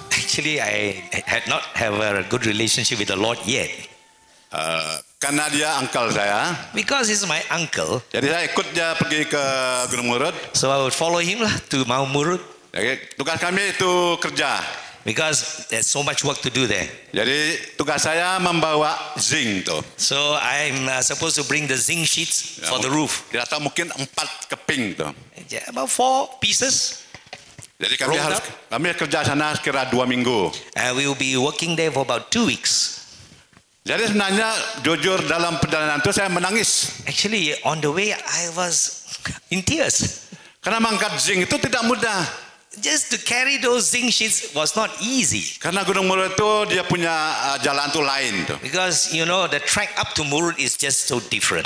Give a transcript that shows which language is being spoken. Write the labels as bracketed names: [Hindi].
[English] Actually I had not have a good relationship with the Lord yet. [Indonesian] Karena dia uncle saya. [English] Because he's my uncle. [Indonesian] Jadi saya ikut dia pergi ke Gunung Murut. [English] So I would follow him lah to Mount Murut. [Indonesian] Jadi tugas kami itu kerja. [English] Because there's so much work to do there. [Indonesian] Jadi tugas saya membawa zinc tuh. [English] So I'm supposed to bring the zinc sheets ya, for the roof. [Indonesian] Kira tak mungkin 4 keping tuh. [English] Yeah, about 4 pieces. [Indonesian] Jadi kami harus up. Kami kerja sana sekira 2 minggu. [English] And we will be working there for about 2 weeks. [Indonesian] Jadi sebenarnya jujur dalam perjalanan itu saya menangis. [English] Actually on the way I was in tears. [Indonesian] Karena mengangkat zinc itu tidak mudah. [English] Just to carry those zinc sheets was not easy. [Indonesian] Karena Gunung Murut itu dia punya jalan tuh lain tuh. [English] Because you know the track up to Murut is just so different.